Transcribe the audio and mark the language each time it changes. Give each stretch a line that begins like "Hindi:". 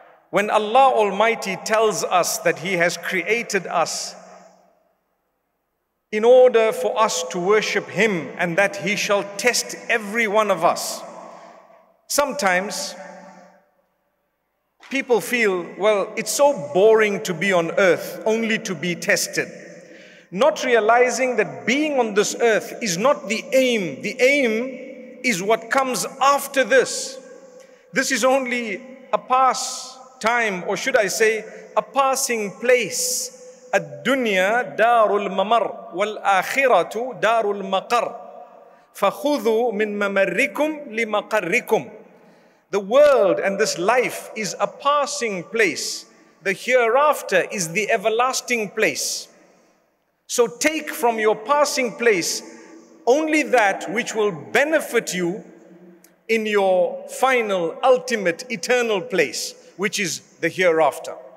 English: When Allah Almighty tells us that He has created us in order for us to worship Him and that He shall test every one of us, sometimes people feel, well, it's so boring to be on earth only to be tested, not realizing that being on this earth is not the aim. The aim is what comes after this. This is only a pastime, or should I say, a passing place.
Arabic: الدنيا دار الممر والآخرة دار المقر فخذوا من ممركم لمقركم.
English: The world and this life is a passing place. The hereafter is the everlasting place. So take from your passing place only that which will benefit you in your final, ultimate, eternal place, which is the hereafter.